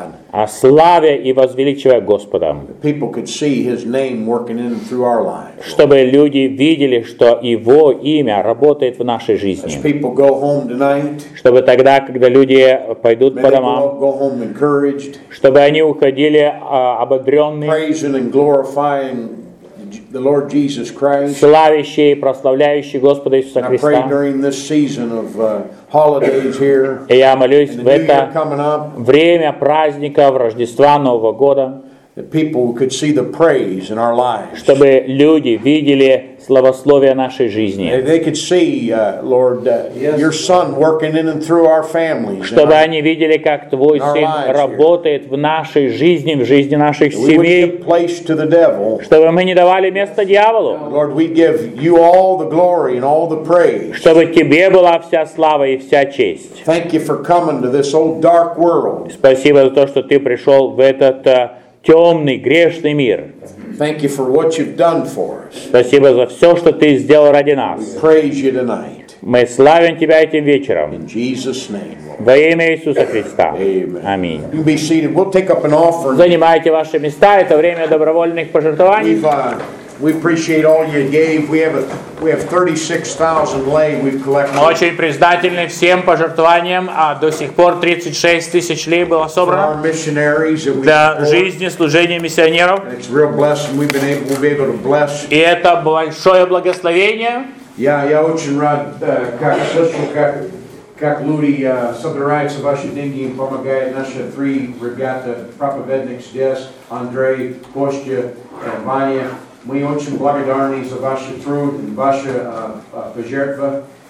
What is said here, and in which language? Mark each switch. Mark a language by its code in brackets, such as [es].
[ru] А славя и возвеличивая Господа. Чтобы люди видели, что Его имя работает в нашей жизни. Чтобы тогда, когда люди пойдут по домам, чтобы они уходили ободренные, [en] the Lord Jesus Christ. [ru] Славящий и прославляющий Господа Иисуса Христа. [en] I pray during this season of holidays here. [ru] И я молюсь в это время праздников Рождества Нового года, [en] people could see the praise in our lives. [ru] Чтобы люди видели славословие нашей жизни. [en] They could see, Lord, your Son working in and through our families. [ru] Чтобы они видели, как Твой Сын работает в нашей жизни, в жизни наших семей. Чтобы мы не давали место дьяволу. [en] Lord, we give you all the glory and all the praise. [ru] Чтобы Тебе была вся слава и вся честь. [en] Thank you for coming to this old dark world. [ru] Спасибо за то, что Ты пришел в этот темный, грешный мир. [en] Thank you for what you've done for us. [ru] Спасибо за все, что Ты сделал ради нас. [en] We praise you tonight. [ru] Мы славим Тебя этим вечером. [en] In Jesus' name. [ru] Во имя Иисуса Христа. Аминь. [en] You can be seated. We'll take up an offering. [ru] Занимайте ваши места. Это время добровольных пожертвований. [en] We appreciate all you gave. We have 36,000 lei we've collected. [ru] Мы очень признательны всем пожертвованиям, а до сих пор 36 тысяч лей было собрано [en] for our missionaries that we [ru] для жизни, служения миссионеров. [en] It's a real blessing we've been able to bless. [ru] И это большое благословение. Я очень рад, как слышал, как люди собираются ваши деньги и помогают наши три ребята, проповедник здесь, Андрей, Костя, Ваня. Мы очень благодарны за ваш труд и ваше пожертвование.